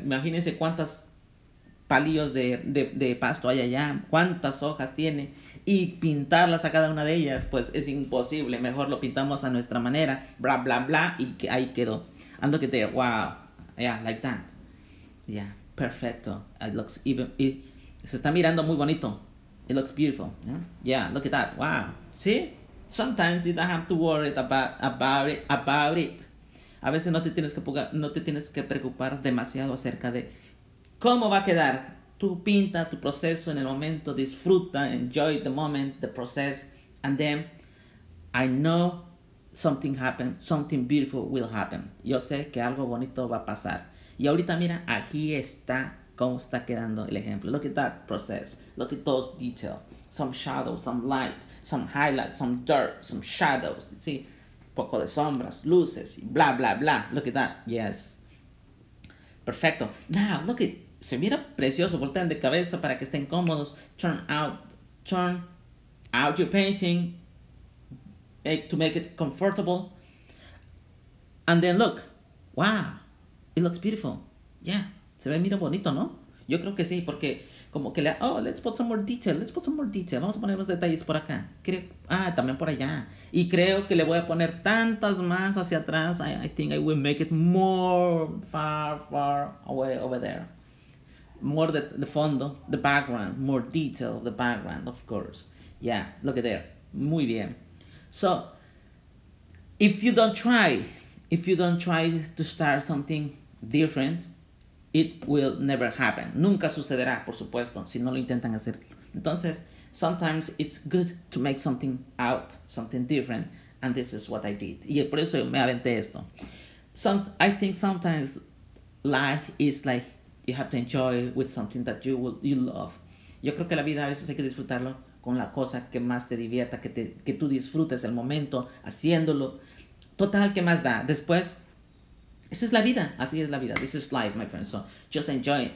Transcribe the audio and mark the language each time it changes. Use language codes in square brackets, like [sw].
[es] Imagínense cuántas palillos de pasto hay allá. Cuántas hojas tiene. y pintarlas a cada una de ellas, pues es imposible. Mejor lo pintamos a nuestra manera, bla, bla, bla, y que ahí quedó. [en] And look at there, wow, yeah, like that. Yeah, perfecto. It looks even, it, [es] se está mirando muy bonito. [en] It looks beautiful, yeah? Yeah, look at that, wow. See? Sometimes you don't have to worry about it. [es] A veces no te tienes que preocupar demasiado acerca de cómo va a quedar. Tú pinta tu proceso en el momento, disfruta, [en] enjoy the moment, the process, and then I know something happened, something beautiful will happen. [es] Yo sé que algo bonito va a pasar. Y ahorita mira, aquí está cómo está quedando el ejemplo. [en] Look at that process, look at those details. Some shadow, some light, some highlight, some dirt, some shadows, ¿sí? [es] Poco de sombras, luces, [en] bla, bla, bla. Look at that. Yes. Perfecto. Now, look at. [es] Se mira precioso. Voltean de cabeza para que estén cómodos. [en] Turn out your painting. To make it comfortable. And then look. Wow. It looks beautiful. Yeah. [es] Se ve, mira bonito, ¿no? Yo creo que sí, porque como que le... [en] Oh, let's put some more detail. [es] Vamos a poner más detalles por acá. Creo, ah, también por allá. Y creo que le voy a poner tantas más hacia atrás. [en] I think I will make it more far away over there. More the fondo, the background. More detail of the background, of course. Yeah, look at there. [es] Muy bien. [en] So, if you don't try to start something different... It will never happen. [es] Nunca sucederá, por supuesto, si no lo intentan hacer. [en] Entonces, sometimes it's good to make something out, something different, and this is what I did. [es] Y por eso me aventé esto. [en] I think sometimes life is like you have to enjoy with something that you love. [es] Yo creo que la vida a veces hay que disfrutarlo con la cosa que más te divierta, que tú disfrutes el momento haciéndolo. Total, ¿qué más da? Después... Esa es la vida. Así es la vida. [en] This is life, my friend. So, just enjoy it.